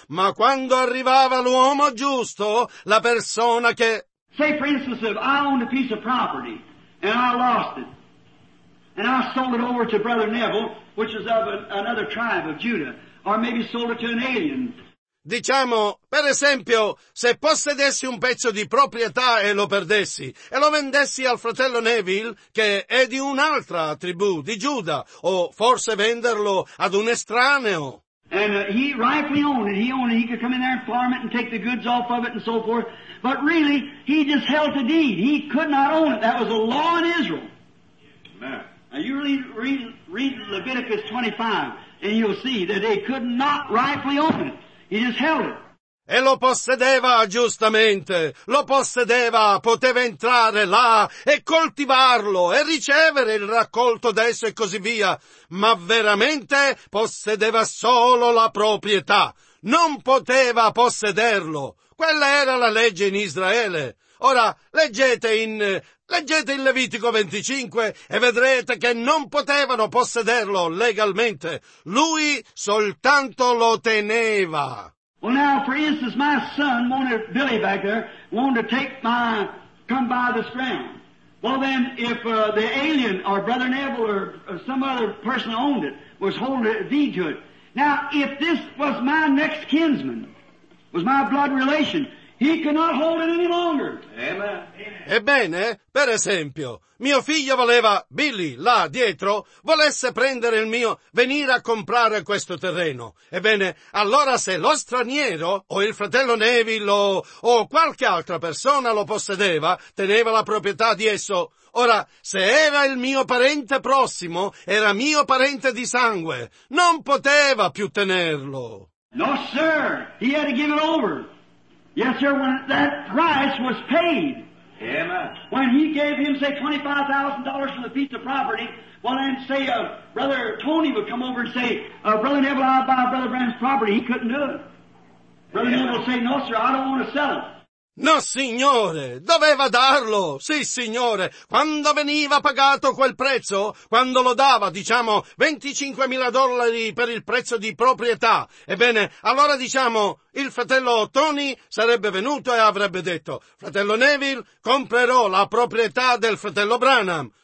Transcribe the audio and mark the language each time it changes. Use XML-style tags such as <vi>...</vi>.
<it>Ma quando arrivava l'uomo giusto, la persona che...</it> <en>Say for instance, if I owned a piece of property, and I lost it, and I sold it over to Brother Neville, which is of another tribe of Judah, or maybe sold it to an alien.</en> <it>Diciamo, per esempio, se possedessi un pezzo di proprietà e lo perdessi, e lo vendessi al fratello Neville, che è di un'altra tribù, di Giuda, o forse venderlo ad un estraneo.</it> <en>And he rightfully owned it. He could come in there and farm it and take the goods off of it and so forth. But really, he just held the deed. He could not own it. That was a law in Israel. Amen. Now you read Leviticus 25 and you'll see that they could not rightfully own it. He just held it.</en> <it>E lo possedeva giustamente, lo possedeva, poteva entrare là e coltivarlo e ricevere il raccolto d'esso e così via, ma veramente possedeva solo la proprietà, non poteva possederlo. Quella era la legge in Israele. Ora leggete in Levitico 25 e vedrete che non potevano possederlo legalmente, lui soltanto lo teneva.</it> <en>Well now, for instance, my son wanted, Billy back there, wanted to come by this ground. Well then, if the alien, or Brother Neville, or some other person owned it, was holding a deed to it. Now, if this was my next kinsman, was my blood relation, he cannot hold it any longer. Amen.</en> <it>Ebbene, per esempio, mio figlio voleva, Billy, là dietro, volesse prendere il mio, venire a comprare questo terreno. Ebbene, allora se lo straniero, o il fratello Neville, o qualche altra persona lo possedeva, teneva la proprietà di esso. Ora, se era il mio parente prossimo, era mio parente di sangue, non poteva più tenerlo.</it> <en>No, sir, he had to give it over. Yes, sir, when that price was paid. Amen. When he gave him, say, $25,000 for the piece of property, well, then, say, Brother Tony would come over and say, Brother Neville, I'll buy Brother Branham's property. He couldn't do it. Brother Neville would say, no, sir, I don't want to sell it.</en> <it>No, signore, doveva darlo. Sì, signore, quando veniva pagato quel prezzo, quando lo dava, diciamo, $25,000 per il prezzo di proprietà, ebbene, allora diciamo, il fratello Tony sarebbe venuto e avrebbe detto, fratello Neville, comprerò la proprietà del fratello Branham.</it>